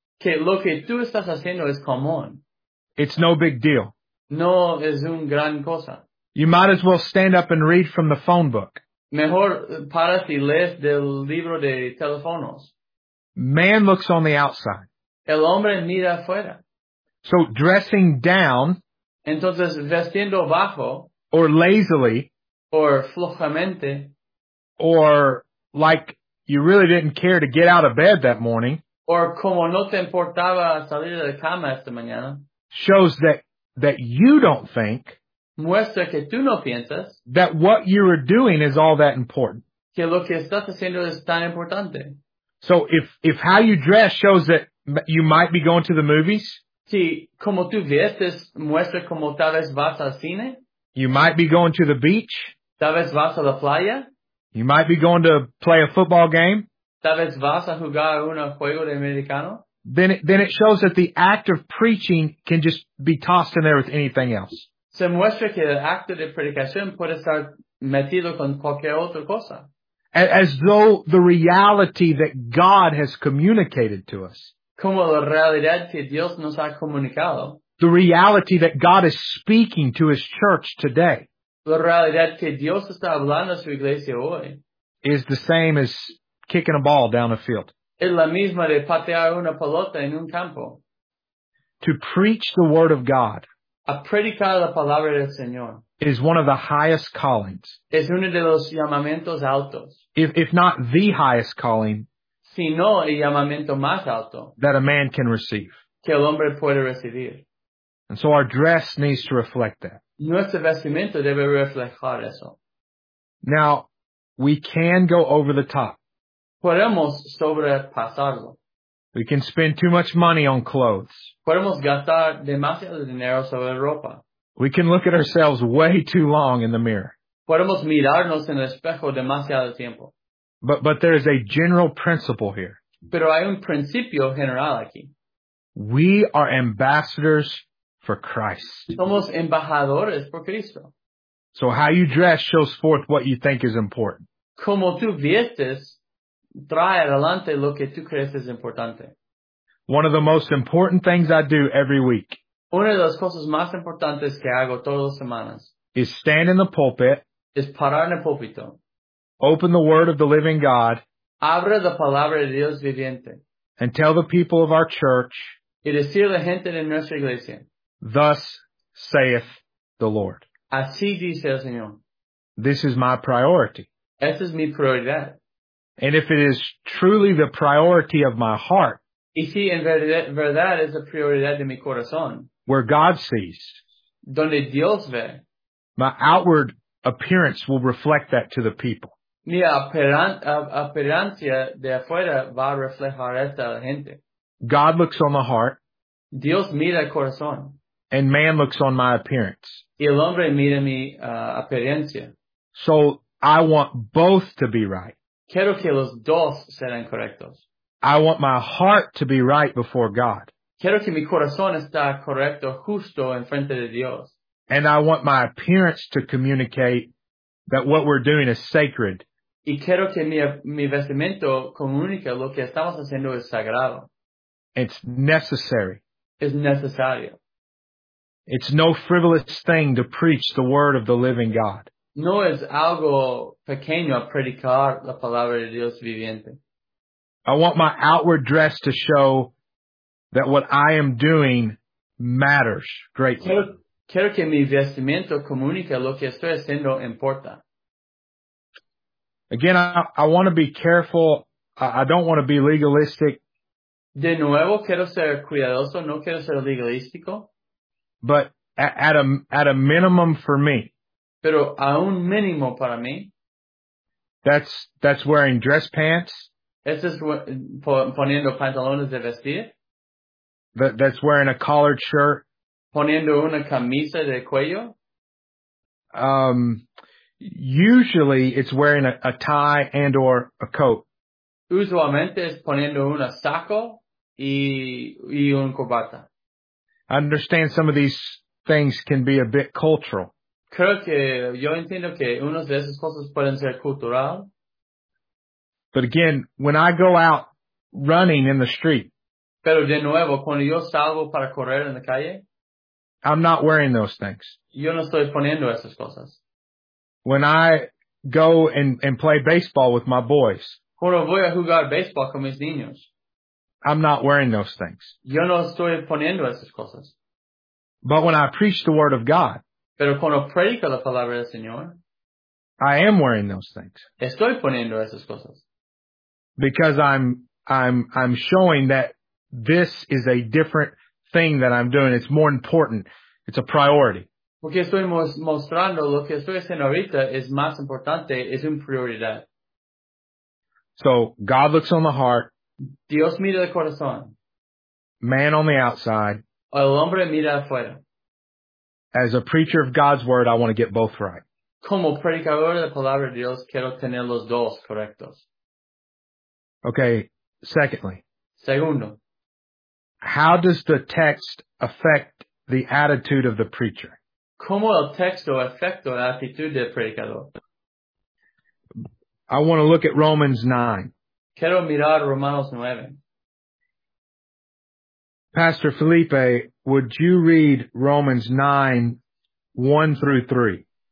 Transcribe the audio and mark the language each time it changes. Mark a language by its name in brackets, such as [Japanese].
[Spanish] que lo que tú estás haciendo es común. [English] It's no big deal. [Spanish] No es un gran cosa. [English] You might as well stand up and read from the phone book. [Spanish] Mejor paras y lees del libro de teléfonos. [English] Man looks on the outside. [Spanish] El hombre mira afuera. [English] So dressing down. [Spanish] Entonces vestiendo bajo. [English] Or lazily. Or [Spanish] flojamente. [English] Or like you really didn't care to get out of bed that morning. Or [Spanish] como no te importaba salir de cama esta mañana. [English] Shows that you don't think. [Spanish] Muestra que tú no piensas. [English] That what you are doing is all that important. [Spanish] Que lo que estás haciendo es tan importante. [English] So if how you dress shows that you might be going to the movies. [Spanish] Si como tú vistes muestra como tal vez vas al cine. [English] You might be going to the beach. [Spanish] Tal vez vas a la playa. [English] You might be going to play a football game. [Spanish] Tal vez vas a jugar un juego de americano. [English] Then it shows that the act of preaching can just be tossed in there with anything else. [Spanish] Se muestra que el acto de predicación puede estar metido con cualquier otra cosa. [English] As though the reality that God has communicated to us. [Spanish] Como la realidad que Dios nos ha comunicado. [English] The reality that God is speaking to his church today. [Spanish] La realidad que Dios está hablando a su iglesia hoy. [English] Is the same as kicking a ball down a field. [Spanish] Es la misma de patear una pelota en un campo. [English] To preach the word of God. [Spanish] A predicar la palabra del Señor. [English] Is one of the highest callings. [Spanish] Es uno de los llamamientos altos. [English] If not the highest calling. [Spanish] Si no, el llamamiento más alto. [English] That a man can receive. [Spanish] Que el hombre puede recibir. [English] And so our dress needs to reflect that. [Spanish] Nuestro vestimiento debe reflejar eso. [English] Now, we can go over the top. [Spanish] Podemos sobrepasarlo. [English] We can spend too much money on clothes. [Spanish] Podemos gastar demasiado dinero sobre ropa. [English] We can look at ourselves way too long in the mirror. [Spanish] Podemos mirarnos en el espejo demasiado tiempo. [English] But there is a general principle here. [Spanish] Pero hay un principio general aquí. [English] We are ambassadors for Christ. [Spanish] Somos embajadores por Cristo. [English] So how you dress shows forth what you think is important. [Spanish] Como tú vistes, trae adelante lo que tú crees es importante. [English] One of the most important things I do every week. [Spanish] Una de las cosas más importantes que hago todas las semanas. [English] Is stand in the pulpit. [Spanish] Es parar en el púlpito. [English] Open the word of the living God. [Spanish] Abre la palabra de Dios viviente. [English] And tell the people of our church. [Spanish] Y decir a la gente de nuestra iglesia. [English] Thus saith the Lord. [Spanish] Así dice el Señor. [English] This is my priority. [Spanish] Esa es mi prioridad. [English] And if it is truly the priority of my heart. [Spanish] Y si en verdad es la prioridad de mi corazón. [English] Where God sees. [Spanish] Donde Dios ve. [English] My outward appearance will reflect that to the people. [Spanish] Mi apariencia de afuera va a reflejar esto a la gente. [English] God looks on the heart. [Spanish] Dios mira el corazón. [English] And man looks on my appearance. [Spanish] Y el hombre mira mi apariencia. [English] So I want both to be right. [Spanish] Quiero que los dos sean correctos. [English] I want my heart to be right before God. [Spanish] Quiero que mi corazón está correcto, justo en frente de Dios. [English] And I want my appearance to communicate that what we're doing is sacred. [Spanish] Y quiero que mi vestimento comunique lo que estamos haciendo es sagrado. [English] It's necessary. [Spanish] Es necesario. [English] It's no frivolous thing to preach the word of the living God. [Spanish] No es algo pequeño predicar la palabra de Dios viviente. [English] I want my outward dress to show that what I am doing matters greatly. [Spanish] Quiero que mi vestimiento comunique lo que estoy haciendo importa. [English] Again, I want to be careful. I don't want to be legalistic. [Spanish] De nuevo, quiero ser cuidadoso. No quiero ser legalístico. [English] But at a minimum for me. [Spanish] Pero a un mínimo para mí. [English] That's wearing dress pants. [Spanish] Eso es poniendo pantalones de vestir. [English] That's wearing a collared shirt. [Spanish] Poniendo una camisa de cuello. [English] Usually it's wearing a tie and or a coat. [Spanish] Usualmente es poniendo una saco y una corbata. [English] I understand some of these things can be a bit cultural. [Spanish] Creo que yo entiendo que unas de esas cosas pueden ser cultural. [English] But again, when I go out running in the street, [Spanish] Pero de nuevo, cuando yo salgo para correr en la calle, [English] I'm not wearing those things. [Spanish] Yo no estoy poniendo esas cosas. [English] When I go and play baseball with my boys, [Spanish] cuando voy a jugar baseball con mis niños, [English] I'm not wearing those things. [Spanish] Yo no estoy poniendo esas cosas. [English] But when I preach the word of God, [Spanish] pero cuando predico la palabra del Señor, [English] I am wearing those things. [Spanish] Estoy poniendo esas cosas. [English] Because I'm showing that this is a different thing that I'm doing. It's more important. It's a priority. [Spanish] Porque estoy mostrando lo que estoy haciendo ahorita es más importante, es una prioridad. [English] So God looks on the heart. [Spanish] Dios mira el corazón. [English] Man on the outside. [Spanish] El hombre mira afuera. [English] As a preacher of God's word, I want to get both right. [Spanish] Como predicador de la palabra de Dios, quiero tener los dos correctos. [English] Okay, secondly. [Spanish] Segundo. [English] How does the text affect the attitude of the preacher? [Spanish] ¿Cómo el texto afecta la actitud del predicador? [English] I want to look at Romans 9. [Spanish] Quiero mirar Romanos 9. [English] Pastor Felipe, would you read Romans 9, 1 through 3?